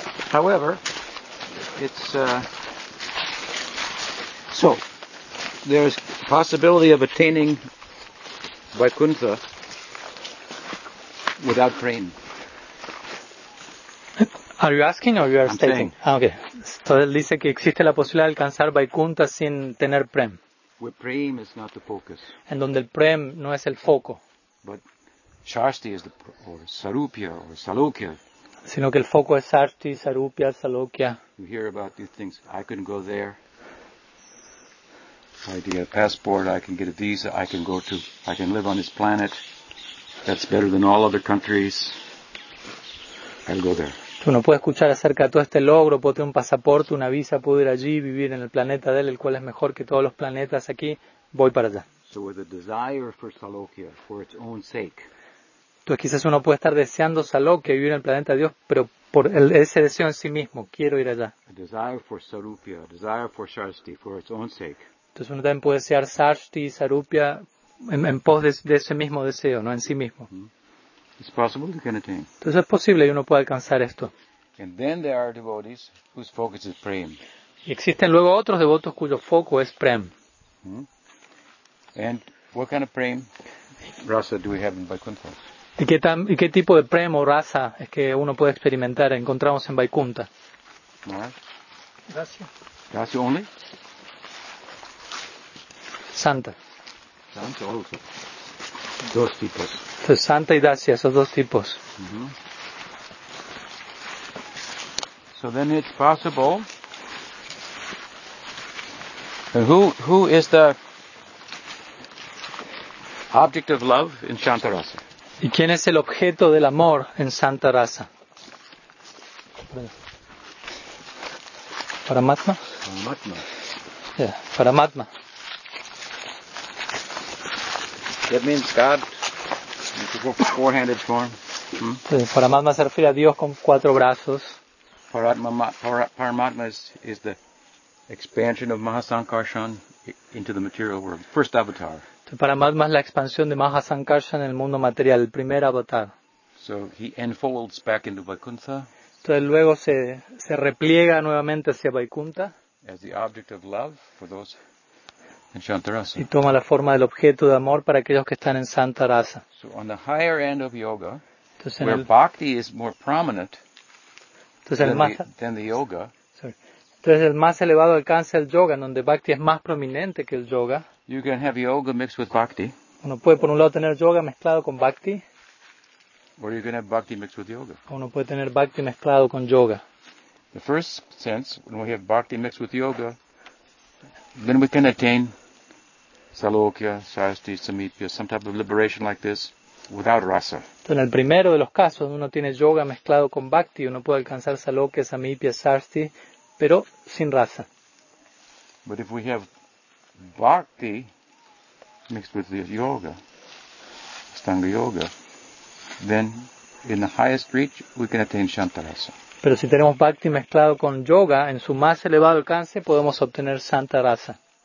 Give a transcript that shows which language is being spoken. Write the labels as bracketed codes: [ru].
[en] However, it's so there's possibility of attaining Vaikuntha without praying. Are you asking or you are I'm stating? Ah, okay. [es] Entonces dice que existe la posibilidad de alcanzar Vaikuntha sin tener prem. [en] Where prem is not the focus. [es] En donde el prem no es el foco. [en] But Sharsti is the or Sarupya or Salokya. [es] Sino que el foco es Sarsti, Sarupya, Salokya. [en] You hear about these things. I couldn't go there. I get a passport, I can get a visa, I can go to, I can live on this planet. That's better than all other countries. I'll go there. [es] Tú no puedes escuchar acerca de todo este logro, puedo tener un pasaporte, una visa, puedo ir allí, vivir en el planeta de él, el cual es mejor que todos los planetas aquí, voy para allá. [en] So with a desire for Salokya, for its own sake. [es] Tú quizás uno puede estar deseando Salokya, vivir en el planeta de Dios, pero por el, ese deseo en sí mismo, quiero ir allá. [en] A desire for Sarupya, a desire for Sharsti, for its own sake. [es] Entonces uno también puede desear Sarsti y Sarupya en pos de ese mismo deseo, no en sí mismo. [en] It's possible you can attain. [es] Entonces es posible y uno puede alcanzar esto. [en] And then there are devotees whose focus is prem. [es] Y existen luego otros devotos cuyo foco es prem. [en] And what kind of prem rasa do we have in Vaikuntha? [es] ¿Y qué tipo de prem o rasa es que uno puede experimentar, encontramos en Vaikuntha? Gracias. [en] Gracias only? Santa. [es] Santa also. Dos tipos. So, Santa y Dasya, esos dos tipos. [en] So then it's possible. Who is the object of love in Santa Rasa? [es] ¿Y quién es el objeto del amor en Santa Rasa? Paramatma. Paramatma. [en] Yeah, Paramatma. That means God in four-handed form. [es] Paramatma se refiere a Dios con cuatro brazos. [en] Paramatma is the expansion of Mahasankarshan into the material world. First avatar. [es] Paramatma es la expansión de Mahasankarshan en el mundo material, el primer avatar. [en] So he enfolds back into Vaikuntha. [es] Entonces luego se repliega nuevamente hacia Vaikuntha. [en] As the object of love for those. [es] Y toma la forma del objeto de amor para aquellos que están en Santa Rasa. [en] So on the higher end of yoga, entonces, where bhakti is more prominent than the yoga. Sorry. [es] Entonces el más elevado alcance el yoga, en donde bhakti es más prominente que el yoga. [en] You can have yoga mixed with bhakti. [es] Uno puede por un lado tener yoga mezclado con bhakti. [en] Or you can have bhakti mixed with yoga. [es] Uno puede tener bhakti mezclado con yoga. [en] The first sense when we have bhakti mixed with yoga. Then we can attain Salokya, Sarasti, Samipya, some type of liberation like this, without rasa. [es] Entonces, en el primero de los casos, uno tiene yoga mezclado con bhakti, uno puede alcanzar Salokya, Samipya, Sarasti, pero sin rasa. [en] But if we have bhakti mixed with this yoga, Astanga yoga, then in the highest reach, we can attain Shantarasa. [es] Pero si tenemos bhakti mezclado con yoga, en su más elevado alcance, podemos obtener santa rasa.